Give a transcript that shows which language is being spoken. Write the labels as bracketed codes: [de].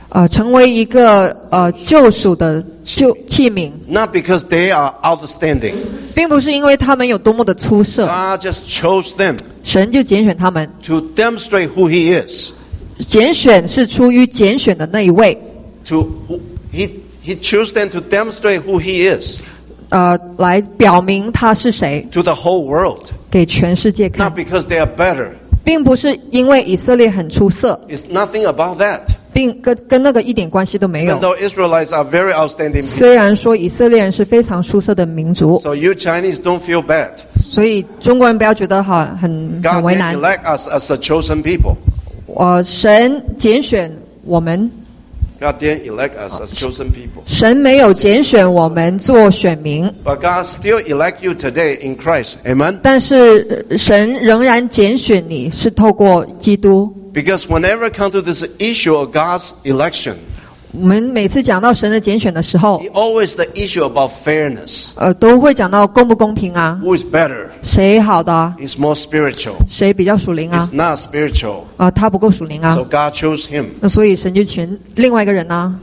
[zh] 成为一个救赎的器皿。 [en] Not because they are outstanding， [zh] 并不是因为他们有多么的出色。 [en] God just chose them， [zh] 神就拣选他们。 [en] To demonstrate who He is， [zh] 拣选是出于拣选的那一位。 [en] To he chose them to demonstrate who He is， [zh] 来表明他是谁。 [en] To the whole world， [zh] 给全世界看。 [en] Not because they are better， [zh] 并不是因为以色列很出色。 [en] It's nothing about that。 [zh] 跟那个一点关系都没有。 [en] Even though Israelites are very outstanding people， [zh] 虽然说以色列人是非常出色的民族。 [en] So you Chinese don't feel bad。 [zh] 所以中国人不要觉得很为难。 [en] God elect us as a chosen people。 [zh] 神拣选我们。 [en] God didn't elect us as chosen people。 [zh] 神没有拣选我们做选民。 [en] But God still elect you today in Christ， Amen。 [zh] 但是神仍然拣选你，是透过基督。 [en] Because whenever it comes to this issue of God's election， [zh] 我们每次讲到神的拣选的时候， [en] it's always the issue about fairness， [zh] 都会讲到公不公平啊。 [en] Who is better？ [zh] 谁好的？ [en] It's more spiritual。 [zh] 谁比较属灵啊？ [en] It's not spiritual。 [zh] 他不够属灵啊。 [en] So God chose him。 [zh] 那所以神就选另外一个人啊。